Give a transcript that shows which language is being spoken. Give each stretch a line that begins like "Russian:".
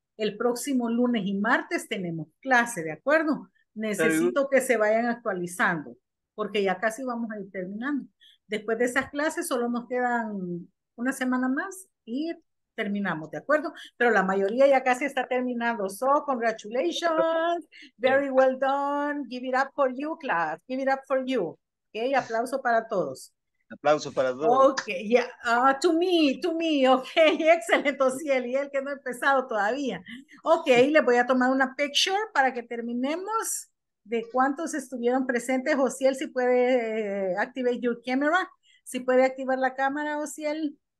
Spanish: El próximo lunes y martes tenemos clase, ¿de acuerdo? Necesito que se vayan actualizando, porque ya casi vamos a ir terminando. Después de esas clases solo nos quedan una semana más y terminamos, ¿de acuerdo? Pero la mayoría ya casi está terminando.
English: So, congratulations. Very well done. Give it up for you, class. Give it up for you. Okay,
Spanish: aplauso para todos. Aplausos para todos.
English: Okay, yeah.
Spanish: To me, okay, excelente, Ociel, y él que no ha empezado todavía. Okay, le voy a tomar una picture para que terminemos de cuántos estuvieron presentes. Ociel, si puede
English: activate your camera,
Spanish: si puede activar la cámara, Ociel.